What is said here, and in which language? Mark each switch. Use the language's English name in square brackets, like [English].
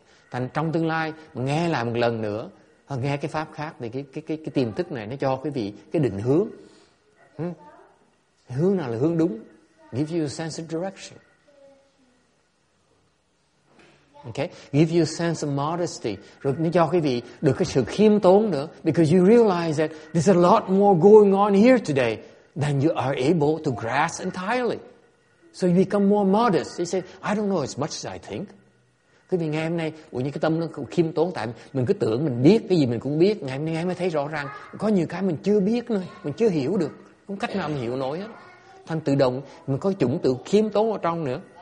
[Vietnamese] Thành trong tương lai nghe lại một lần nữa. Nghe cái pháp khác thì cái tiềm thức này nó cho quý vị cái định hướng. Hướng nào là hướng đúng? [English] Give you a sense of direction. Okay? Give you a sense of modesty. [Vietnamese] Rồi nó cho quý vị được cái sự khiêm tốn nữa. [English] Because you realize that there's a lot more going on here today than you are able to grasp entirely. So you become more modest. You say, I don't know as much as I think. [Vietnamese] Cái vì ngày hôm nay, như cái tâm nó khiêm tốn, tại mình cứ tưởng mình biết, cái gì mình cũng biết. Ngày hôm nay mới thấy rõ ràng, có nhiều cái mình chưa biết nữa, mình chưa hiểu được, không cách nào mình hiểu nổi hết. Thành tự động, mình có chủng tự khiêm tốn ở trong nữa.